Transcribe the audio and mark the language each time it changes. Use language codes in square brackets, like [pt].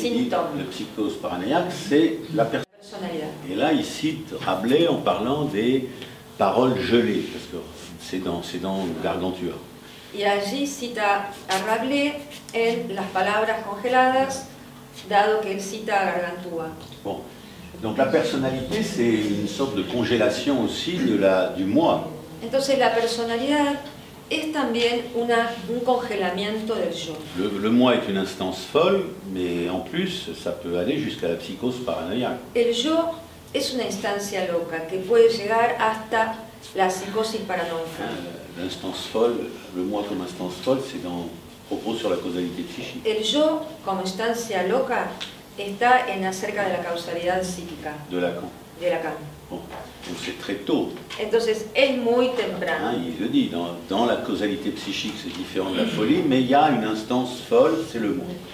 [fr] La psychose paranoïaque, c'est la [es] personnalidad. [fr] Et là, il cite Rabelais en parlant des paroles gelées, parce que c'est dans Gargantua. [es] Y allí cita a Rabelais en las palabras congeladas, dado que él cita a Gargantua. [fr] Bon. Donc la personnalité, c'est une sorte de congélation aussi de la, du moi. [es] Entonces la personalidad es también un congelamiento del yo. [fr] Le moi est une instance folle, mais en plus, ça peut aller jusqu'à la psychose paranoïaque. [es] El yo es una instancia loca que puede llegar hasta la psicosis paranoica. [fr] L'instance folle, le moi comme instance folle, c'est dans propos sur la causalité psychique. [es] El yo como instancia loca está en acerca de la causalidad psíquica. [fr] De Lacan. [es] De Lacan. [fr] Bon, donc c'est très tôt. [es] Entonces es muy temprano. [fr] Hein, il le dit, dans la causalité psychique c'est différent de la folie, mais il y a une instance folle, c'est le moi.